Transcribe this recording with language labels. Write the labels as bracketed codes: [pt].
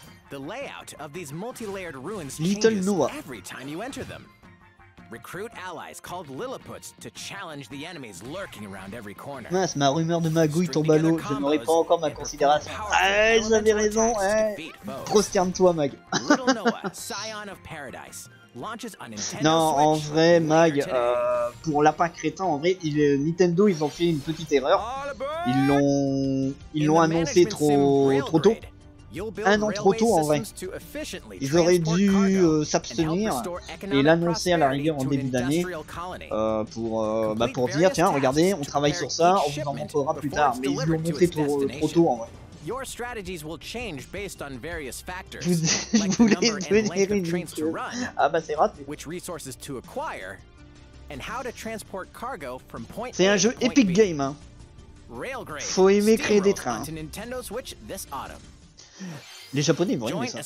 [en] The layout of these multi-layered ruins changes every time you enter them. Recruit allies called Lilliputs to challenge the enemies lurking around every corner. [fr] Mince, ma rumeur de magouille tombe à l'eau. Je n'aurai pas encore ma considération. Ah, j'avais raison. Prosterne-toi, Mag. [en] Little Noah, scion of paradise. [fr] Non, en vrai, Mag, pour Lapin Crétin, en vrai, Nintendo, ils ont fait une petite erreur. Ils l'ont annoncé trop tôt. un an trop tôt en vrai. Ils auraient dû s'abstenir et l'annoncer à la rigueur en début d'année pour dire tiens regardez on travaille sur ça, on vous en montrera plus tard, mais ils l'ont montré trop tôt en vrai. [en] Your strategies will change based on various factors, like the number and length of trains to run, which resources to acquire, and how to transport cargo from point A to point B. [fr] C'est un jeu Epic Game, hein. Railgrade, faut aimer créer des trains. Hein. [en] Nintendo Switch this autumn. [fr] Les Japonais vont aimer ça.